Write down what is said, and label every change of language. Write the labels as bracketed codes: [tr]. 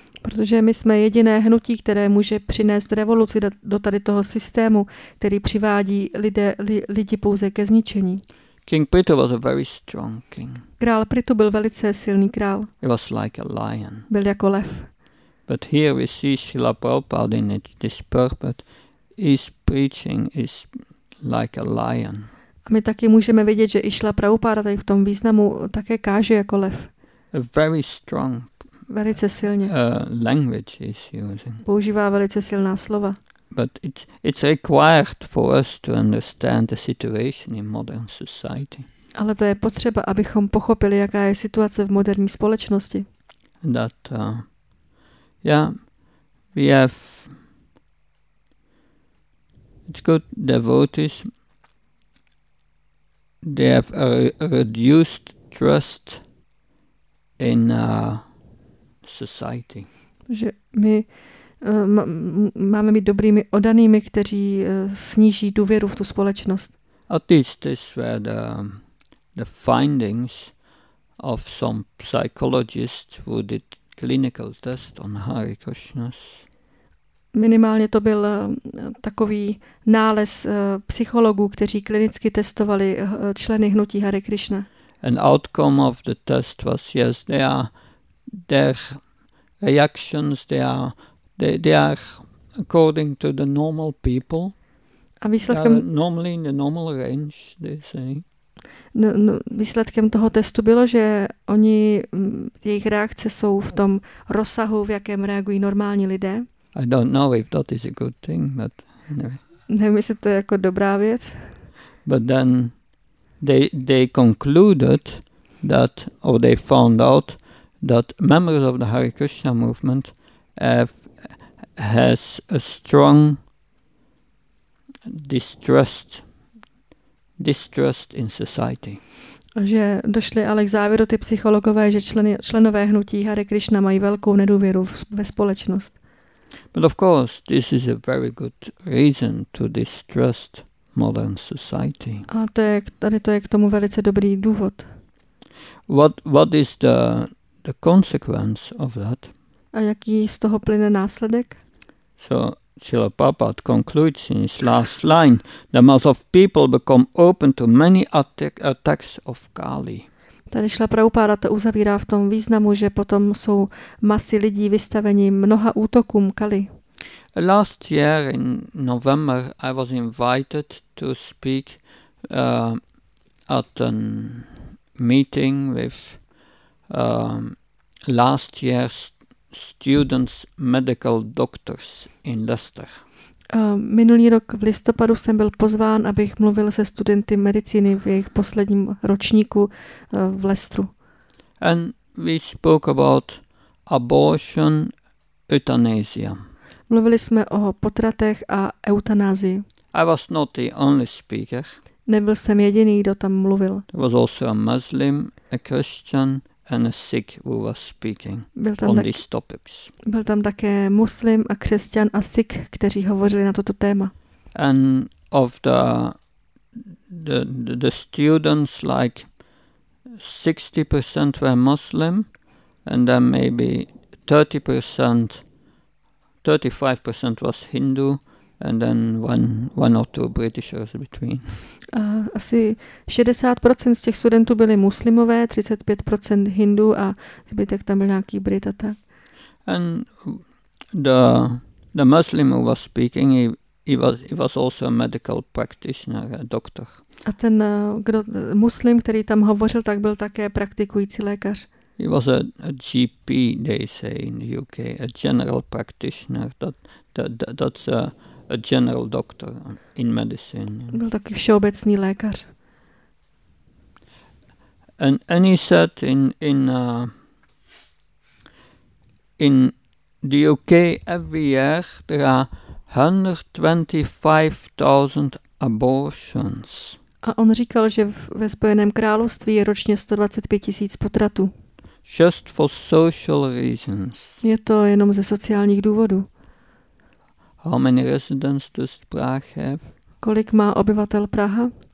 [cs] Protože my jsme jediné hnutí, které může přinést revoluci do tady toho systému, který přivádí lidi pouze ke zničení. [en] King Prithu was a very strong king. [cs] Král Prithu byl velice silný král. [en] He was like a lion. [cs] Byl jako lev. [en] But here we see Srila Prabhupada in this purport is preaching is like a lion. [cs] A my taky můžeme vidět, že i Srila Prabhupada tady v tom významu také káže jako lev. [en] A very strong. [cs] Velice silně. [en] Language is using. [cs] Používá velice silná slova. [en] But it's required for us to understand the situation in modern society. [cs] Ale to je potřeba, abychom pochopili, jaká je situace v moderní společnosti. [en] that yeah, we have it's good devotees. They have a reduced trust in society. [cs] Že my máme být dobrými oddanými, kteří sníží důvěru v tu společnost. [en] At least this were the findings of some psychologists who did clinical test on Hare Krishnas. [cs] Minimálně to byl takový nález psychologů, kteří klinicky testovali členy hnutí Hare Krishna. [en] An outcome of the test was yes, they are their reactions, they are according to the normal people. [cs] A výsledkem [en] normally in the normal range, they say. [cs] No, výsledkem toho testu bylo, že oni jejich reakce jsou v tom rozsahu, v jakém reagují normální lidé. [en] I don't know if that is a good thing, but anyway. [cs] Nevím, jestli to je jako dobrá věc. [en] But then they concluded that, or they found out that members of the Hare Krishna movement has a strong distrust in society. [cs] Že došli ale k závěru ty psychologové, že členové hnutí Hare Krishna mají velkou nedůvěru ve společnost. [en] But of course, this is a very good reason to distrust modern society. [cs] A to je, tady to je k tomu velice dobrý důvod. [en] What is the consequence of that? [cs] A jaký z toho plyne následek? [en] So, Srila Prabhupada concludes in his last line, the mass of people become open to many attacks of Kali. [cs] Tady Srila Prabhupada to uzavírá v tom významu, že potom jsou masy lidí vystaveni mnoha útokům Kali. [en] Last year in November I was invited to speak at a meeting with last year's students medical doctors in Leicester. [cs] Minulý rok v listopadu jsem byl pozván, abych mluvil se studenty medicíny v jejich posledním ročníku v Leicesteru. [en] And we spoke about abortion, euthanasia. [cs] Mluvili jsme o potratech a eutanázii. [en] I was not the only speaker. [cs] Nebyl jsem jediný, kdo tam mluvil. [en] There was also a Muslim, a Christian, and a Sikh who was speaking on these topics. [cs] Byl tam také muslim a křesťan a Sikh, kteří hovořili na toto téma. [en] And of the students, like 60% were Muslim, and then maybe 30%, 35% was Hindu, and then one or two Britishers between. [cs] Asi 60% z těch studentů byli muslimové, 35% hindů a zbytek tam byl nějaký Brit a tak. [en] And the Muslim who was speaking, he was also a medical practitioner, a doctor. [cs] A ten muslim, který tam hovořil, tak byl také praktikující lékař. [en] He was a GP, they say in the UK, a general practitioner, that's a general doctor in medicine. [cs] Byl taky všeobecný lékař. [en] And he said in the UK every year there are 125,000 abortions. [cs] A on říkal, že ve Spojeném království je ročně 125,000 potratů. [en] Just for social reasons. [cs] Je to jenom ze sociálních důvodů. [en] How many residents does Prague have? [cs] Kolik má obyvatel Praha?